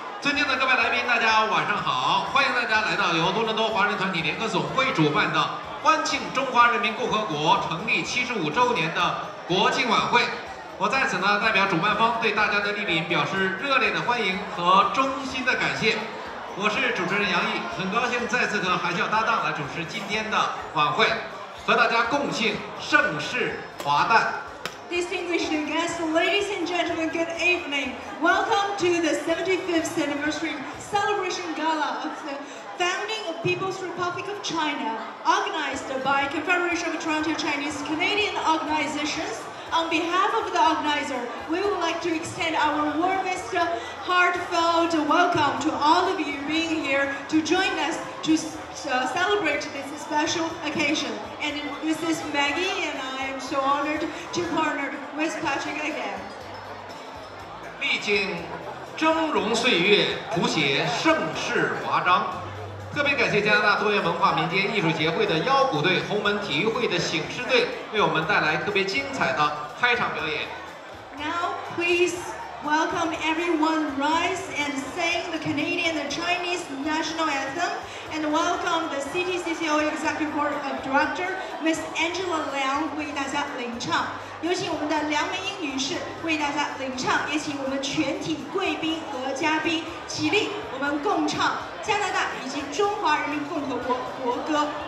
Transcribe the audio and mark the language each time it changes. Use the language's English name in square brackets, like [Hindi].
[Chinese] 尊敬的各位来宾，大家晚上好，欢迎大家来到由多伦多华人团体联合总会主办的欢庆中华人民共和国成立75周年的国庆晚会。我在此呢，代表主办方对大家的莅临表示热烈的欢迎和衷心的感谢。我是主持人杨毅，很高兴再次和海啸搭档来主持今天的晚会，和大家共庆盛世华诞。 [English] Distinguished guests, ladies and gentlemen, good evening. Welcome to the 75th anniversary celebration gala of the founding of People's Republic of China, organized by Confederation of Toronto Chinese Canadian Organizations. On behalf of the organizer, we would like to extend our warmest, heartfelt welcome to all of you being here to join us to celebrate this special occasion. And this is Maggie and I. So honored to partner with Patrick again. [Chinese] 历经峥嵘岁月，谱写盛世华章。特别感谢加拿大多元文化民间艺术协会的腰鼓队、红门体育会的醒狮队，为我们带来特别精彩的开场表演。 [English] Now, please welcome everyone rise and sing the Canadian and Chinese national anthem, and welcome the CTCCO Executive Board of Director, Ms. [Chinese] Angela Liang, 为大家领唱。有请我们的梁梅英女士为大家领唱，也请我们全体贵宾和嘉宾起立，我们共唱加拿大以及中华人民共和国国歌。